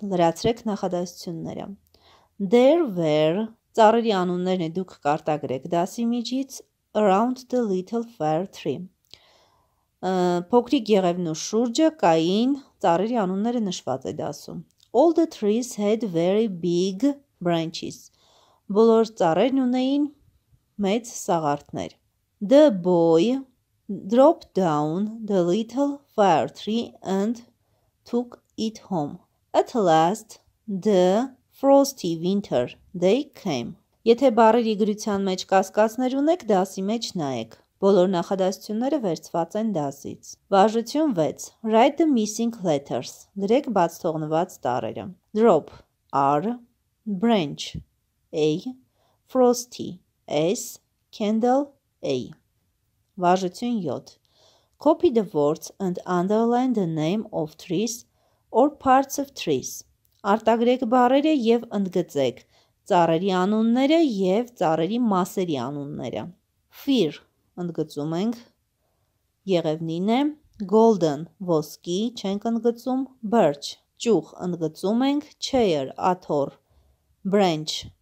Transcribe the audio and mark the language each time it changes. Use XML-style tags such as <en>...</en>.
<hy>Լրացրեք նախադասությունները։</hy> <en>There were</en> <hy>ծառերի անուններն է դուք կարտագրեք դասի միջից</hy> <en>around the little fir tree.</en> <hy>Փոքրիկ եղևնու շուրջը կային ծառերի անունները նշված է դասում։</hy> <en>All the trees had very big branches.</en> <hy>Բոլոր ծառերն ունեին մեծ սաղարթներ.</hy> <en>The boy dropped down the little fir tree and took it home. At last, the frosty winter day came.</en> <hy>Եթե բառերի գրության մեջ կասկածներ ունեք, դասի մեջ նայեք։ Բոլոր նախադասությունները վերցված են դասից։ Վարժություն 6.</hy> <en>Write the missing letters.</en> <hy>Գրեք բաց թողնված տառերը.</hy> <en>Drop R, branch A, frosty S, candle A.</en> <hy>Վարժություն 7.</hy> <en>Copy the words and underline the name of trees or parts of trees.</en> <hy>Արտագրեք բառերը եւ ընդգծեք ծառերի անունները եւ ծառերի մասերի անունները. Fir ընդգծում ենք եղևնին է, golden ոսկի չենք ընդգծում, birch ճուղ ընդգծում ենք, cheer աթոռ, branch</hy>